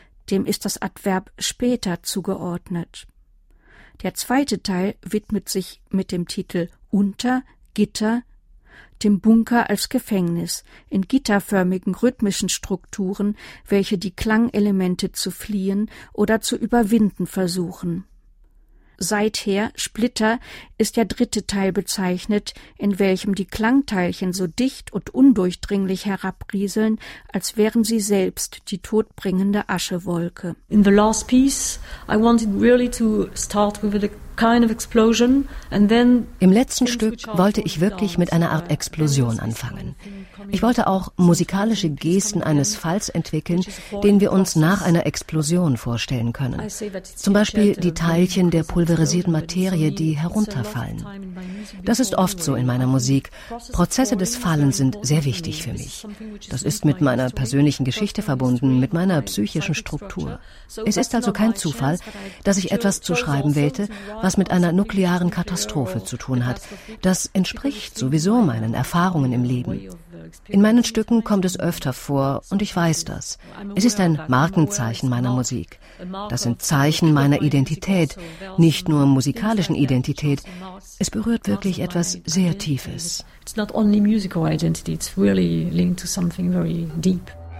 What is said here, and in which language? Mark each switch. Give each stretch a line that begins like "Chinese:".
German: Dem ist das Adverb später zugeordnet. Der zweite Teil widmet sich mit dem Titel Unter, Gitter, dem Bunker als Gefängnis in gitterförmigen rhythmischen Strukturen, welche die Klangelemente zu fliehen oder zu überwinden versuchen. Seither, Splitter, ist der dritte Teil bezeichnet, in welchem die Klangteilchen so dicht und undurchdringlich herabrieseln, als wären sie selbst die todbringende Aschewolke.
English: In the last piece, I wanted really to start with a kind of explosion, and then
German: im letzten Stück wollte ich wirklich mit einer Art Explosion anfangen. Ich wollte auch musikalische Gesten eines Falls entwickeln, den wir uns nach einer Explosion vorstellen können. Zum Beispiel die Teilchen der pulverisierten Materie, die herunterfallen. Das ist oft so in meiner Musik. Prozesse des Fallens sind sehr wichtig für mich. Das ist mit meiner persönlichen Geschichte verbunden, mit meiner psychischen Struktur. Es ist also kein Zufall, dass ich etwas zu schreiben wählte, was mit einer nuklearen Katastrophe zu tun hat. Das entspricht sowieso meinen Erfahrungen im Leben. In meinen Stücken kommt es öfter vor und ich weiß das. Es ist ein Markenzeichen meiner Musik. Das sind Zeichen meiner Identität, nicht nur musikalischen Identität. Es berührt wirklich etwas sehr Tiefes.
English: It's not only musical identity, it's really linked to something very deep.